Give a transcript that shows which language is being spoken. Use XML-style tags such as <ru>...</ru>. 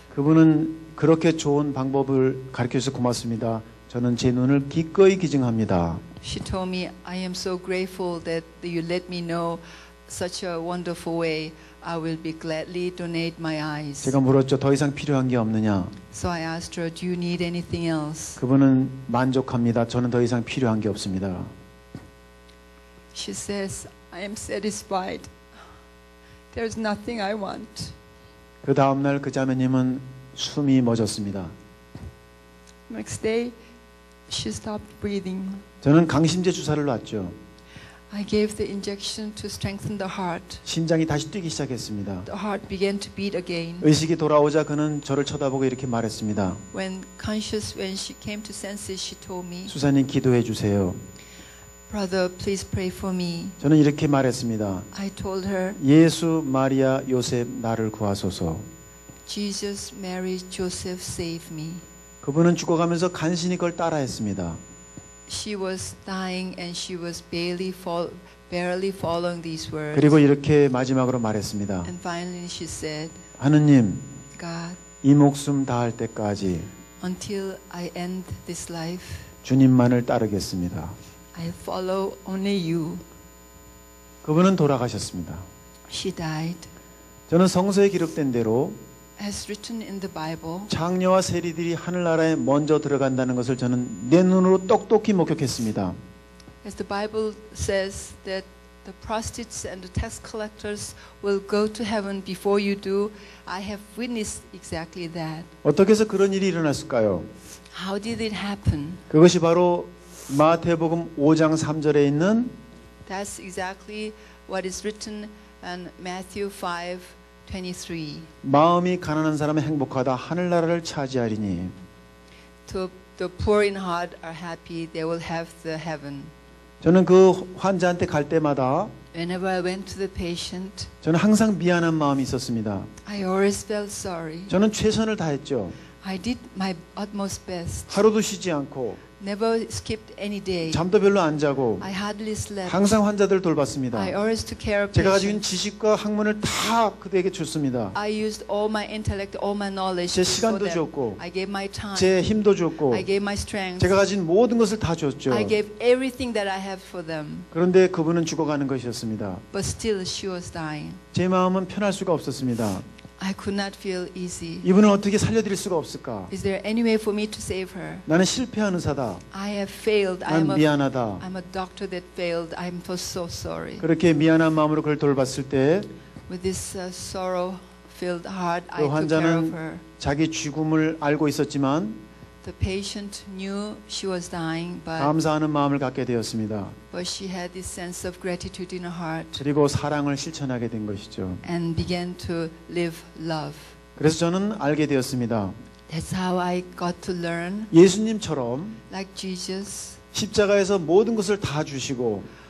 <ko>그분은 그렇게 좋은 방법을 가르쳐 주셔서 고맙습니다. 저는 제 눈을 기꺼이 기증합니다.</ko> <en>She told me, I am so grateful that you let me know such a wonderful way. I will be gladly donate my eyes.</en> <ko>제가 물었죠. 더 이상 필요한 게 없느냐?</ko> <en>So I asked her, do you need anything else?</en> <ko>그분은 만족합니다. 저는 더 이상 필요한 게 없습니다.</ko> <en>She says, I am satisfied. There's nothing I want.</en> <ko>그 다음 날 그 자매님은 숨이 멎었습니다.</ko> <en>Next day, she stopped breathing.</en> <ko>저는 강심제 주사를 놨죠.</ko> <en>I gave the injection to strengthen the heart.</en> <ko>심장이 다시 뛰기 시작했습니다.</ko> <en>The heart began to beat again.</en> <ko>의식이 돌아오자 그는 저를 쳐다보고 이렇게 말했습니다.</ko> <en>When she came to senses, she told me.</en> <ko>수사님 기도해 주세요.</ko> <en>Brother, please pray for me.</en> <ko>저는 이렇게 말했습니다.</ko> <en>I told her.</en> <ko>예수, 마리아, 요셉 나를 구하소서.</ko> <en>Jesus, Mary, Joseph, save me.</en> <ko>그분은 죽어가면서 간신히 그걸 따라했습니다.</ko> <en>She was dying and she was barely barely following these words.</en> <ko>그리고 이렇게 마지막으로 말했습니다.</ko> <en>And finally she said,</en> <ko>하느님,</ko> <en>God,</en> <ko>이 목숨 다할 때까지</ko> <en>until I end this life,</en> <ko>주님만을 따르겠습니다.</ko> <en>I follow only you.</en> <ko>그분은 돌아가셨습니다.</ko> <en>She died.</en> <ko>저는 성서에 기록된 대로</ko> <en>As written in the Bible,</en> <ko>장녀와 세리들이 하늘나라에 먼저 들어간다는 것을 저는 내 눈으로 똑똑히 목격했습니다.</ko> <en>As the Bible says that the prostitutes and the tax collectors will go to heaven before you do, I have witnessed exactly that.</en> <ko>어떻게 해서 그런 일이 일어났을까요?</ko> <en>How did it happen?</en> <ko>그것이 바로 마태복음 5장 3절에 있는</ko> <en>That's exactly what is written in Matthew 5:23.</en> <ko>마음이 가난한 사람은 행복하다 하늘나라를 차지하리니.</ko> <en>The poor in heart are happy. They will have the heaven.</en> <ko>저는 그 환자한테 갈 때마다</ko> <en>Whenever I went to the patient,</en> <ko>저는 항상 미안한 마음이 있었습니다.</ko> <en>I always felt sorry.</en> <ko>저는 최선을 다했죠.</ko> <en>I did my utmost best.</en> <ko>하루도 쉬지 않고</ko> <en>Never skipped any day.</en> <ko>잠도 별로 안 자고</ko> <en>I hardly slept.</en> <ko>항상 환자들을 돌봤습니다.</ko> <en>I always took care of patients.</en> <ko>제가 가진 지식과 학문을 다 그들에게 줬습니다.</ko> <en>I used all my intellect, all my knowledge.</en> <ko>제 시간도 줬고</ko> <en>I gave my time.</en> <ko>제 힘도 줬고</ko> <en>I gave my strength.</en> <ko>제가 가진 모든 것을 다 줬죠.</ko> <en>I gave everything that I have for them.</en> <ko>그런데 그분은 죽어가는 것이었습니다.</ko> <en>But still she was dying.</en> <ko>제 마음은 편할 수가 없었습니다.</ko> <en>I could not feel easy.</en> <ko>이분을 어떻게 살려드릴 수가 없을까?</ko> <en>Is there any way for me to save her?</en> <ko>나는 실패한 의사다.</ko> <en>I have failed.</en> <ko>난 미안하다.</ko> <en>I'm a doctor that failed. I'm so sorry.</en> <ko>그렇게 미안한 마음으로 그를 돌봤을 때,</ko> <en>With this sorrow-filled heart, I took care of her.</en> <ko>그 환자는 자기 죽음을 알고 있었지만,</ko> <en>The patient knew she was dying, but</en> <ko>감사하는 마음을 갖게 되었습니다.</ko> <en>But she had this sense of gratitude in her heart.</en> <ko>그리고 사랑을 실천하게 된 것이죠.</ko> <en>And began to live love.</en> <ko>그래서 저는 알게 되었습니다.</ko> <en>That's how I got to learn.</en> <ko>예수님처럼</ko> <en>like Jesus,</en> <ko>십자가에서 모든 것을 다 주시고</ko>